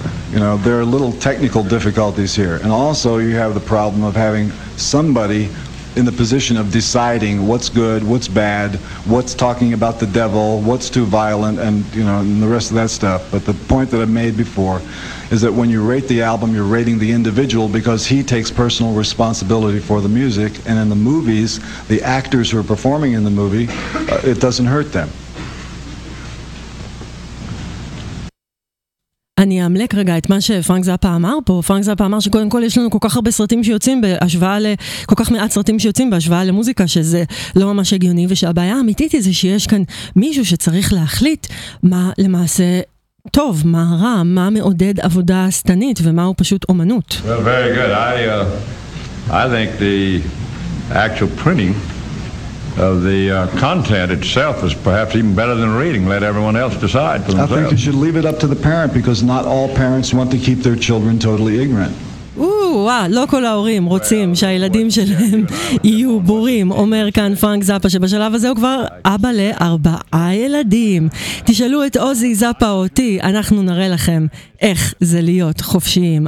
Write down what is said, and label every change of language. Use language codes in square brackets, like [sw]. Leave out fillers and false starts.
[en] You know, there are little technical difficulties here. And also you have the problem of having somebody in the position of deciding what's good, what's bad, what's talking about the devil, what's too violent, and you know, and the rest of that stuff. But the point that I made before is that when you rate the album, you're rating the individual, because he takes personal responsibility for the music, and in the movies, the actors who are performing in the movie, it doesn't hurt them. [he] אני אמלק רגע את מה שפרנק זאפה אמר פה. פרנק זאפה אמר שקודם כל יש לנו כל כך הרבה סרטים שיוצאים בהשוואה כל כך מעט סרטים שיוצאים בהשוואה למוזיקה, שזה לא ממש הגיוני, ושהבעיה האמיתית היא זה שיש כאן מישהו שצריך להחליט מה למעשה טוב, מה רע, מה מעודד עבודה סטנית, ומה הוא פשוט אומנות. [en] Well, very good. I think the actual printing of the content itself is perhaps even better than reading. Let everyone else decide for themselves. I think you should leave it up to the parent, because not all parents want to keep their children totally ignorant. [he] לא כל ההורים רוצים שהילדים שלהם יהיו בורים, אומר כאן פרנק זאפה, שבשלב הזה הוא כבר אבא לארבעה ילדים. תשאלו את אוזי זאפה או אותי, אנחנו נראה לכם איך זה להיות חופשיים.